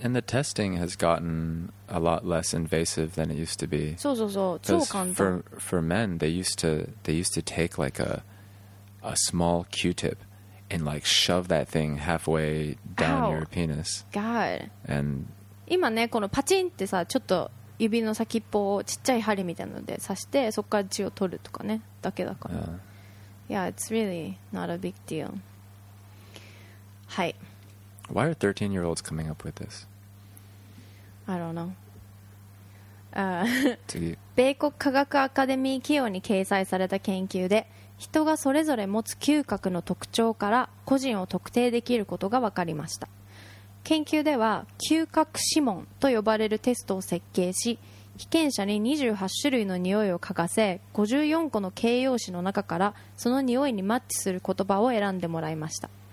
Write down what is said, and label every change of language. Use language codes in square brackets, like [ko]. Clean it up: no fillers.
[en] And the testing has gotten a lot less invasive than it used to be。 [ja] そうそうそう、超簡単。 [en] For men, they used to take like a a small Q-tip and like shove that thing halfway down your penis. God. And [ja] 今ねこのパチンってさちょっと指の先っぽをちっちゃい針みたいなので刺してそこから血を取るとかねだけだから。 [en] Yeah, it's really not a big deal. はい。 Why are 13-year-olds coming up with this? I don't know. [ja] 次。米国科学アカデミー企業に掲載された研究で、人がそれぞれ持つ嗅覚の特徴から個人を特定できることが分かりました。研究では嗅覚指紋と呼ばれるテストを設計し、被験者に28種類の匂いを嗅がせ、54個の形容詞の中からその匂いにマッチする言葉を選んでもらいました。